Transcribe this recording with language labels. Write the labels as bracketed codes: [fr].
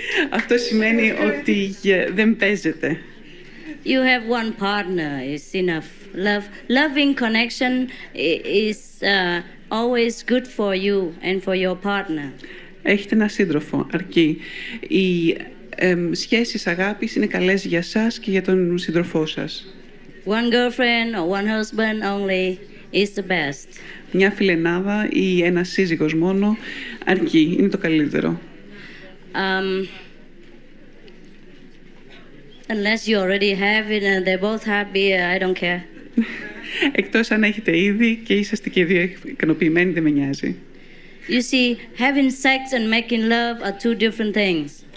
[el] Αυτό σημαίνει ότι δεν παίζετε. [en] You have one partner, it's enough. Loving connection is always good for you and for your partner. [el] Έχετε ένα σύντροφο, αρκεί. Οι σχέσεις αγάπης είναι καλές για σας και για τον σύντροφό σας. [en] One girlfriend or one husband only is the best. [el] Μια φιλενάδα ή ένας σύζυγος μόνο, αρκεί, είναι το καλύτερο. [en] Unless you already have it and they're both happy, I don't care. [el] Εκτός αν έχετε ήδη και είσαστε και δύο ικανοποιημένοι, δεν με νοιάζει. [en] You see, having sex and making love are two different things.